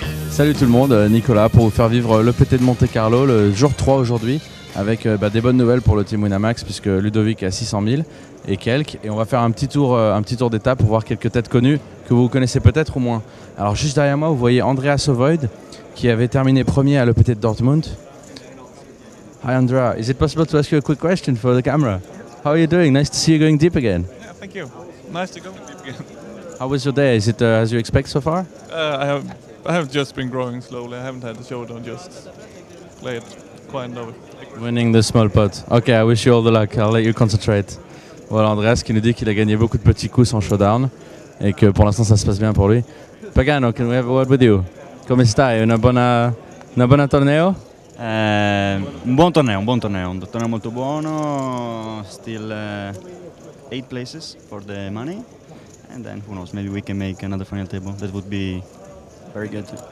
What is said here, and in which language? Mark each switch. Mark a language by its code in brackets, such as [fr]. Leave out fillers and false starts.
[fr] Salut tout le monde, Nicolas, pour vous faire vivre le PT de Monte Carlo, le jour 3 aujourd'hui, avec des bonnes nouvelles pour le Team Winamax, puisque Ludovic est à 600 000 et quelques. Et on va faire un petit tour d'étape pour voir quelques têtes connues que vous connaissez peut-être ou moins. Alors juste derrière moi, vous voyez Andrea Sovoid, qui avait terminé premier à le PT de Dortmund. [en] Hi Andrea, is it possible to ask you a quick question for the camera? How are you doing? Nice to see you going deep again. Yeah, thank you. Nice to go deep again. How was your day? Is it as you expect so far? I have just been growing slowly. I haven't had the showdown, just played quite a bit. Winning the small pot. Okay, I wish you all the luck. I'll let you concentrate. [fr] Voilà Andreas qui nous dit qu'il a gagné beaucoup de petits coups sans showdown et que pour l'instant ça se passe bien pour lui. [en] Pagano, can we have a word with you? [it] Come stai? Una buona torneo? Un buon torneo molto buono. [en] Still 8 places for the money. And then who knows, maybe we can make another final table. That would be very good.